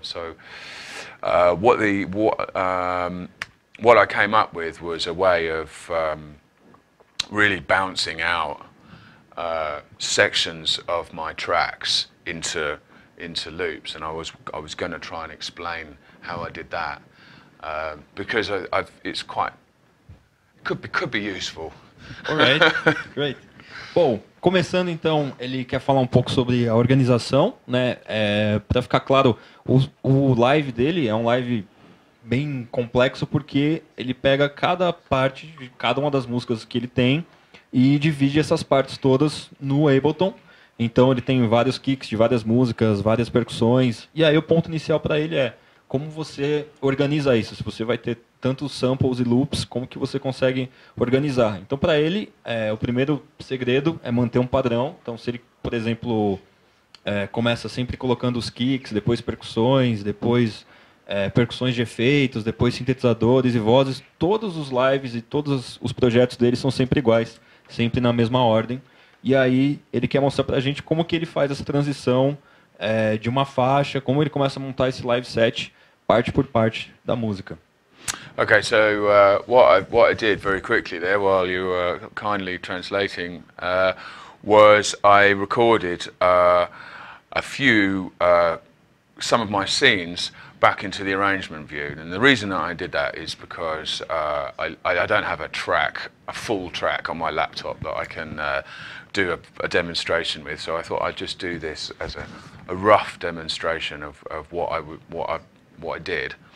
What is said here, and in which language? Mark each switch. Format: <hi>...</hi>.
<en>So what I came up with was a way of really bouncing out sections of my tracks into loops, and I was going to try and explain how I did that because it could be useful. All right. Great.</en> <pt>Bom, começando então, ele quer falar um pouco sobre a organização, né? Para ficar claro, o live dele é um live bem complexo porque ele pega cada parte de cada uma das músicas que ele tem e divide essas partes todas no Ableton. Então ele tem vários kicks de várias músicas, várias percussões. E aí o ponto inicial para ele é como você organiza isso? Se você vai ter tantos samples e loops, como que você consegue organizar? Então para ele, o primeiro segredo é manter um padrão. Então se ele, por exemplo, começa sempre colocando os kicks, depois percussões, depois percussões de efeitos, depois sintetizadores e vozes, todos os lives e todos os projetos dele são sempre iguais, sempre na mesma ordem. E aí ele quer mostrar pra gente como que ele faz essa transição de uma faixa, como ele começa a montar esse live set parte por parte da música.</pt> <en>Okay, so what I did very quickly there while you were kindly translating was I recorded some of my scenes back into the arrangement view. And the reason that I did that is because I don't have a full track on my laptop that I can do a demonstration with, so I thought I'd just do this as a rough demonstration of what I did.</en>